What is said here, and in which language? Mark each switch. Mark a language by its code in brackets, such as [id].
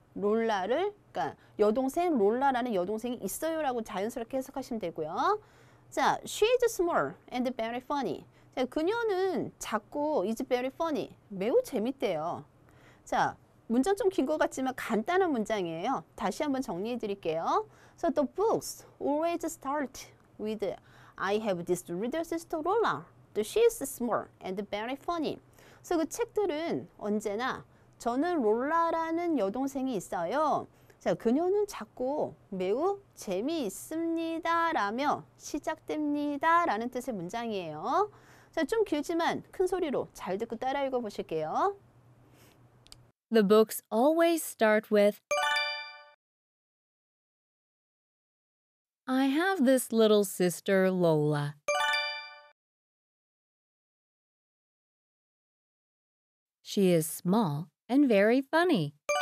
[ko] 롤라를, 그러니까 여동생 롤라라는 여동생이 있어요라고 자연스럽게 해석하시면 되고요. [en] 자, she's small and very funny. [ko] 그녀는 작고 [en] is very funny. [ko] 매우 재밌대요. 자, 문장 좀 긴 것 같지만 간단한 문장이에요. 다시 한번 정리해 드릴게요. [en] So the books always start with I have this little sister Lola. She is small and very funny. [ko] So 그 책들은 언제나 저는 롤라라는 여동생이 있어요. 자, 그녀는 작고 매우 재미있습니다라며 시작됩니다. 라는 뜻의 문장이에요. 자, 좀 길지만 큰 소리로 잘 듣고 따라 읽어 보실게요. [en] The books always start with I have this little sister Lola. She is small and very funny.